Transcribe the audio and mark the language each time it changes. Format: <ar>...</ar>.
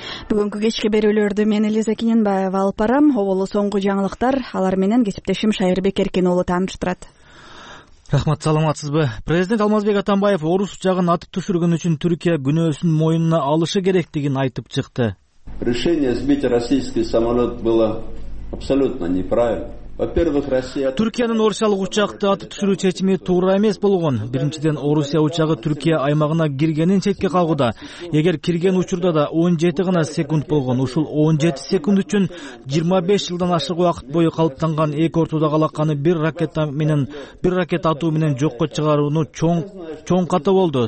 <ky>Бүгүнкү кечки берүүлөрдү мен Элиза Кененбаева алып барам. Оболу соңку жаңылыктар, алар менен кесиптешим Шайырбек Эркин уулу тааныштырат. Рахмат, саламатсызбы. Президент Алмазбек Атамбаев орус учагын атып түшүргөн үчүн Түркия күнөөсүн моюнуна алышы керектигин айтып чыкты.</ky> <ru>Решение сбить российский самолет было абсолютно неправильно.</ru> <ky>Түркиянын орусиялык учакты атып түшүрүү чечими туура эмес болгон. Биринчиден, Орусия учагы Түркия аймагына киргенин четке кагууда. Эгер кирген учурда да 17 гана секунд болгон. Ушул 17 секунд үчүн 25 жылдан ашык убакыт бою калыптанган эки ортодогу алаканы бир ракета атуу менен жокко чыгарууну чоң ката болду.</ky>